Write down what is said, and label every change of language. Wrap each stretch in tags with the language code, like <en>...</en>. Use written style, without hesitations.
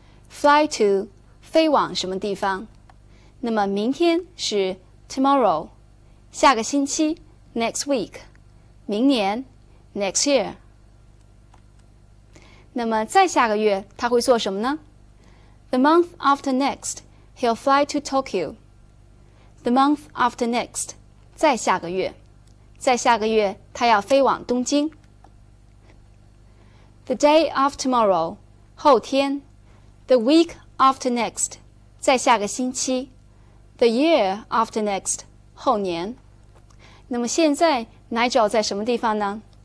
<zh>Fly to, 飞往什么地方。那么明天是 tomorrow, 下个星期 next week. 明年 ,next year. 那么再下个月他会做什么呢？</zh> <en>The month after next, he'll fly to Tokyo. The month after next, 再下个月。</en> <zh>再下个月他要飞往东京。</zh> <en>The day of tomorrow, 后天。 The week after next, 再下个星期。</en> <zh>The year after next, 后年。那么现在Nigel 在什么地方呢？</zh>